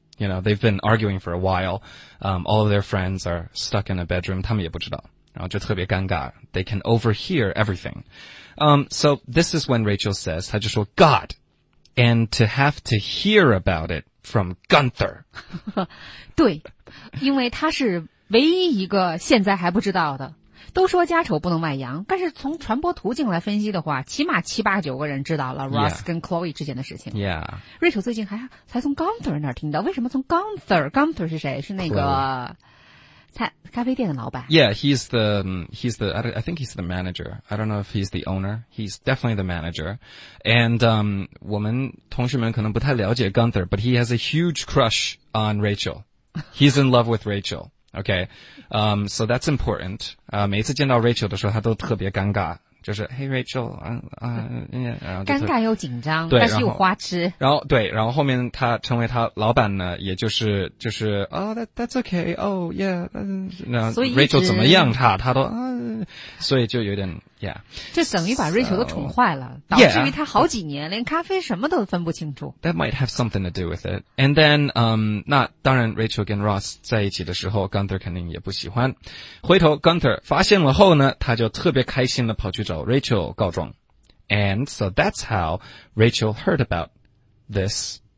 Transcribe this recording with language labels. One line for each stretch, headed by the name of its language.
English: You know, they've been arguing for a while. All of their friends are stuck in a bedroom.
Chinese: 他们也不知道。然后就特别尴尬。
English: They can overhear everything. So this is when Rachel says,
Chinese: 她就说
English: God, and to have to hear about it from Gunther.
Chinese: 对，因为他是唯一一个现在还不知道的。都说家丑不能外扬，但是从传播途径来分析的话，起码七八九个人知道了 Ross、
English: yeah.
Chinese: 跟 Chloe 之间的事情。
English: Yeah.
Chinese: Rachel 最近还从 Gunther 那儿听到。为什么从 Gunther? Gunther 是谁？是那个。 Chloe. 咖啡店的老板。
English: Yeah, I think he's the manager. I don't know if he's the owner. He's definitely the manager. And,
Chinese: 我们同事们可能不太了解
English: Gunther, but he has a huge crush on Rachel. He's in love with Rachel. Okay. So that's important.
Chinese: 每一次见到 Rachel 的时候他都特别尴尬。就是 Hey Rachel, 尴尬又紧张，对，但是又花痴。然后对，然后后面他成为他老板呢，也就是
English: Oh, that's okay. Oh, yeah.
Chinese: 那 Rachel 怎么样差，他都所以就有点 Yeah. 这等于把 Rachel 都宠坏了，
English: so,
Chinese: 导致于他好几年
English: yeah,
Chinese: 连咖啡什么都分不清楚。
English: That might have something to do with it. And then,
Chinese: 那当然 Rachel 跟 Ross 在一起的时候 ，Gunther 肯定也不喜欢。回头 Gunther 发现了后呢，他就特别开心的跑去找。
English: Rachel 告状 and so that's how Rachel heard about this.